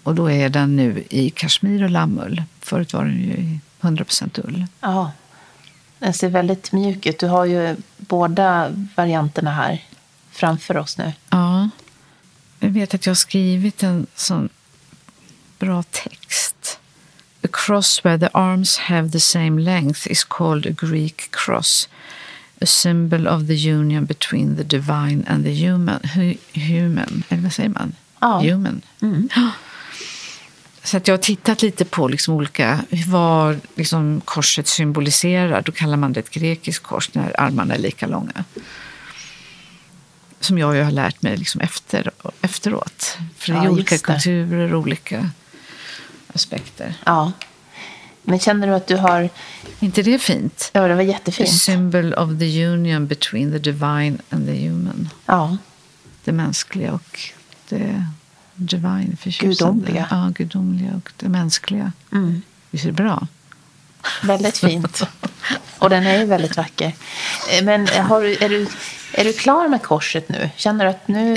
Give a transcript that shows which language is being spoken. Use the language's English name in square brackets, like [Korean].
[Swedish] Och då är den nu i kashmir och lammull. Förut var den ju 100% ull. Ja, den ser väldigt mjuk ut. Du har ju båda varianterna här framför oss nu. Ja, jag vet att jag har skrivit en sån bra text. [English] A cross where the arms have the same length is called a Greek cross, a symbol of the union between the divine and the human. [Swedish] Human, eller vad säger man? Oh. [English] Human. Mm. [Swedish] Så att jag har tittat lite på liksom olika, vad liksom korset symboliserar. Då kallar man det ett grekiskt kors när armarna är lika långa. Som jag ju har lärt mig liksom efteråt. För det är olika kulturer, olika aspekter. Ja. Men känner du att du har... Inte det fint? Ja, det var jättefint. [English] A symbol of the union between the divine and the human. [Swedish] Ja. Det mänskliga och det divine. Gudomliga. Ja, gudomliga och det mänskliga. Mm. Det ser bra. Väldigt fint. Och den är ju väldigt vacker. Men är du klar med korset nu? Känner du att nu